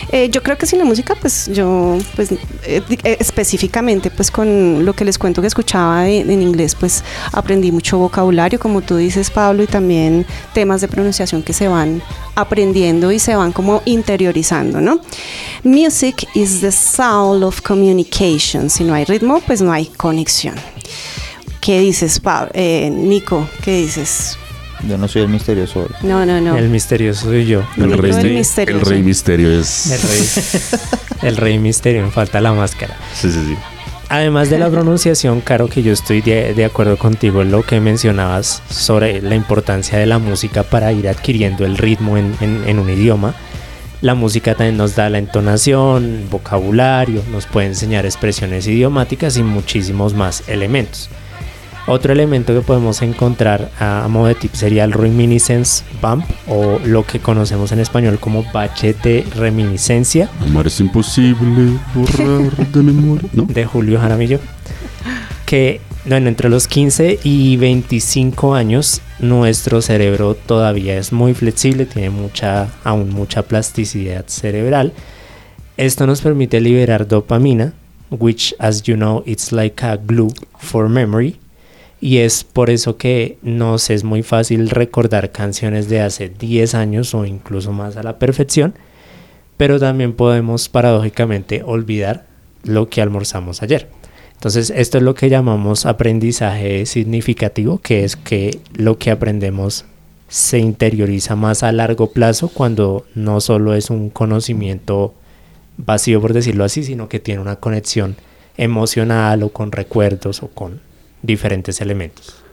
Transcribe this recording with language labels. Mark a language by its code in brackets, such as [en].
[es] Yo creo que sin la música, pues yo, pues específicamente pues con lo que les cuento que escuchaba en inglés, pues aprendí mucho vocabulario, como tú dices, Pablo, y también temas de pronunciación que se van aprendiendo y se van como interiorizando, ¿no? [en] Music is the soul of communication. [es] Si no hay ritmo, pues no hay conexión. ¿Qué dices, Nico? ¿Qué dices? Yo no soy el misterioso hoy. No. El misterioso soy yo. El rey misterio es. El rey misterio. Me falta la máscara. Sí. Además de la pronunciación, claro que yo estoy de acuerdo contigo en lo que mencionabas sobre la importancia de la música para ir adquiriendo el ritmo en un idioma. La música también nos da la entonación, vocabulario, nos puede enseñar expresiones idiomáticas y muchísimos más elementos. Otro elemento que podemos encontrar a modo de tip sería el reminiscence bump, o lo que conocemos en español como bache de reminiscencia. Amar es imposible borrar de memoria, ¿no? De Julio Jaramillo. que, bueno, entre los 15 y 25 años nuestro cerebro todavía es muy flexible, tiene mucha plasticidad cerebral. Esto nos permite liberar dopamina, [en] which, as you know, it's like a glue for memory. [es] Y es por eso que nos es muy fácil recordar canciones de hace 10 años o incluso más a la perfección. Pero también podemos, paradójicamente, olvidar lo que almorzamos ayer. Entonces, esto es lo que llamamos aprendizaje significativo, que es que lo que aprendemos se interioriza más a largo plazo cuando no solo es un conocimiento vacío, por decirlo así, sino que tiene una conexión emocional o con recuerdos o con diferentes elementos.